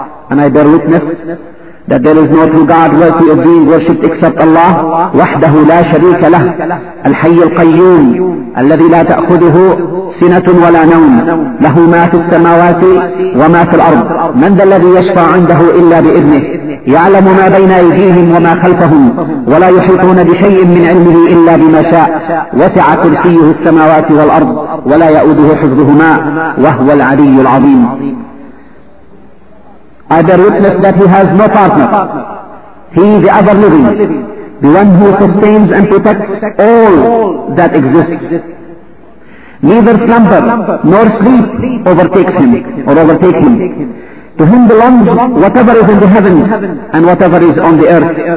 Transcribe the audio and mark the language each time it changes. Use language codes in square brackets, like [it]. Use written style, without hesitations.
[en] And I bear witness that there is no true God worthy of being worshipped except Allah. [ar] وَحْدَهُ لَا شَرِيكَ لَهُ الْحَيِّ الْقَيُّومِ الذي لا تأخذه سنة ولا نوم له ما في السماوات وما في الأرض من ذا الذي يشفع عنده إلا بإذنه يعلم ما بين أيديهم وما خلفهم ولا يحيطون بشيء من علمه إلا بما شاء وسع كرسيه السماوات والأرض ولا يؤوده حفظهما وهو العلي العظيم. [en] I bear witness that He has no partner. He is the other living, the one who sustains and protects all that exists. Neither slumber nor sleep overtakes Him or overtake Him. To Him belongs whatever is in the heavens and whatever is on the earth.